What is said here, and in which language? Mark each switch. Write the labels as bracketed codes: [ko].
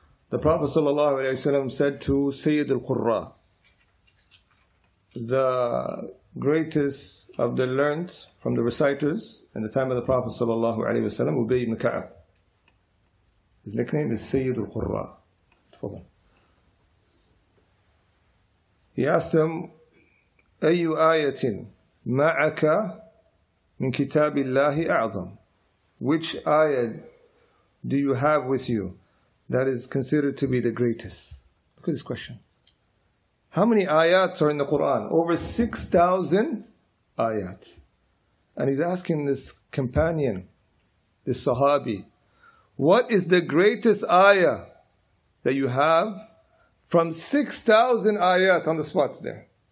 [en] The Prophet sallallahu alayhi wa sallam said to Sayyid al-Qurra, the greatest of the learned from the reciters in the time of the Prophet sallallahu alayhi wa sallam, Ubay ibn Ka'ab. His nickname is Sayyid al-Qurra. Tafadhal. He asked him, [ar] أَيُّ آيَةٍ مَعَكَ مِنْ كِتَابِ اللَّهِ أَعْظَمُ. [en] Which ayah do you have with you that is considered to be the greatest? Look at this question. How many ayats are in the Qur'an? Over 6,000 ayats. And he's asking this companion, this sahabi, what is the greatest ayah that you have from 6,000 ayat on the spot there?